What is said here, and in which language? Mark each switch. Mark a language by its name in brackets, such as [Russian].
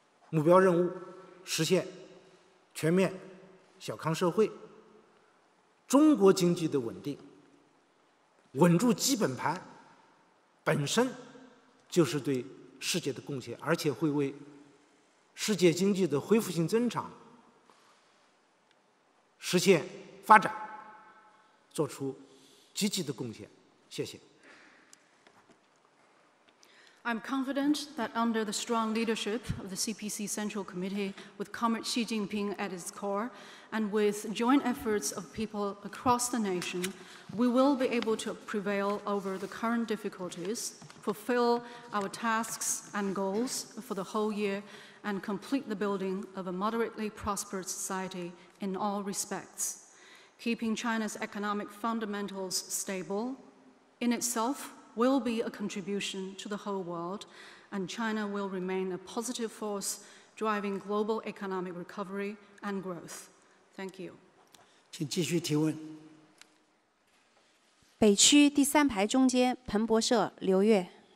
[Chinese] 目标任务，实现全面小康社会，中国经济的稳定，稳住基本盘本身就是对世界的贡献，而且会为世界经济的恢复性增长实现发展做出积极的贡献。谢谢。 [English] I'm confident that under the strong leadership of the CPC Central Committee, with Comrade Xi Jinping at its core, and with joint efforts of people across the nation, we will be able to prevail over the current difficulties, fulfill our tasks and goals for the whole year, and complete the building of a moderately prosperous society in all respects. Keeping China's economic fundamentals stable in itself will be a contribution to the whole world, and China will remain a positive force driving global economic recovery and growth. Thank you. [Chinese] 请继续提问。北区第三排中间，彭博社刘月。